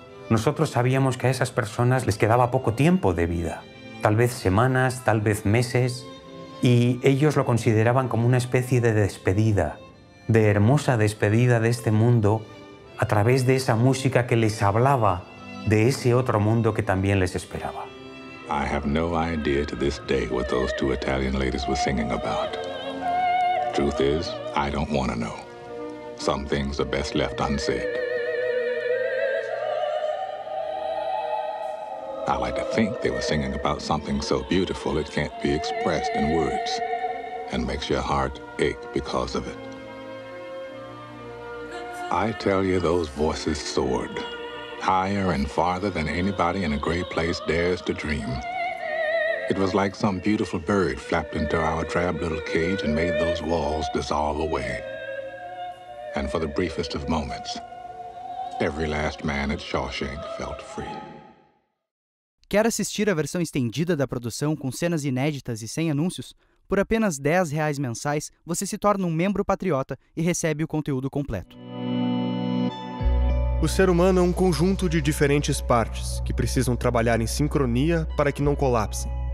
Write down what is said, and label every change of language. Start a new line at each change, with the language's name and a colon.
Spanish: Nosotros sabíamos que a esas personas les quedaba poco tiempo de vida, tal vez semanas, tal vez meses, y ellos lo consideraban como una especie de despedida, de hermosa despedida de este mundo a través de esa música que les hablaba de ese otro mundo que también les esperaba.
English: I have no idea to this day what those two Italian ladies were singing about. Truth is, I don't want to know. Some things are best left unsaid. I like to think they were singing about something so beautiful it can't be expressed in words and makes your heart ache because of it. I tell you, those voices soared. Higher and farther than anybody in a great place dares to dream. It was like some beautiful bird flapped into our drab little cage and made those walls dissolve away. And for the briefest of moments, every last man at Shawshank felt free.
Portuguese: Quer assistir a versão estendida da produção com cenas inéditas e sem anúncios? Por apenas R$10 mensais, você se torna um membro patriota e recebe o conteúdo completo. O ser humano é um conjunto de diferentes partes que precisam trabalhar em sincronia para que não colapsem.